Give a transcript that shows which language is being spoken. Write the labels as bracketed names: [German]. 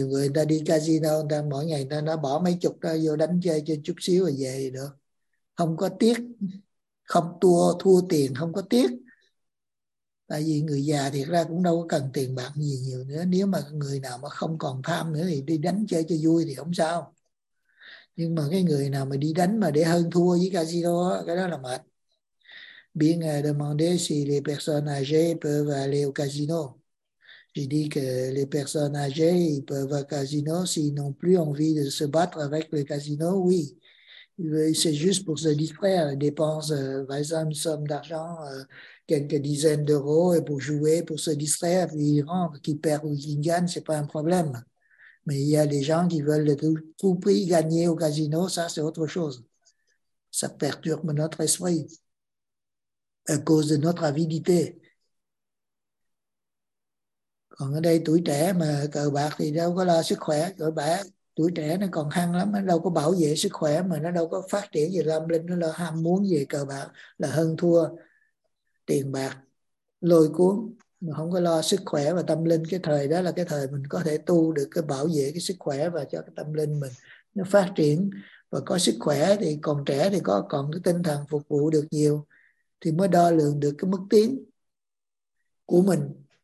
[Vietnamese] Nhiều người ta đi casino, người ta mỗi ngày người ta nó bỏ mấy chục ra vô đánh chơi cho chút xíu rồi về thì được, không có tiếc, không tua thua tiền, không có tiếc. Tại vì người già thiệt ra cũng đâu có cần tiền bạc gì nhiều nữa. Nếu mà người nào mà không còn tham nữa thì đi đánh chơi cho vui thì không sao. Nhưng mà cái người nào mà đi đánh mà để hơn thua với casino, cái đó là mệt. [French] Bien demander si les personnes âgées peuvent aller au casino. J'ai dit que les personnes âgées peuvent au casino s'ils n'ont plus envie de se battre avec le casino, oui. C'est juste pour se distraire. Ils dépensent par exemple une somme d'argent, quelques dizaines d'euros et pour jouer, pour se distraire, puis ils rentrent, qu'ils perdent ou qu'ils gagnent, c'est pas un problème. Mais il y a des gens qui veulent de tout prix gagner au casino, ça c'est autre chose. Ça perturbe notre esprit à cause de notre avidité. [Vietnamese] Còn ở đây tuổi trẻ mà cờ bạc thì đâu có lo sức khỏe, cờ bạc tuổi trẻ nó còn hăng lắm, nó đâu có bảo vệ sức khỏe mà nó đâu có phát triển gì lâm linh, nó là ham muốn về cờ bạc là hơn thua. Tiền bạc lôi cuốn mà không có lo sức khỏe và tâm linh, cái thời đó là cái thời mình có thể tu được cái bảo vệ cái sức khỏe và cho cái tâm linh mình nó phát triển và có sức khỏe, thì còn trẻ thì có còn cái tinh thần phục vụ được nhiều thì mới đo lường được cái mức tiến của mình.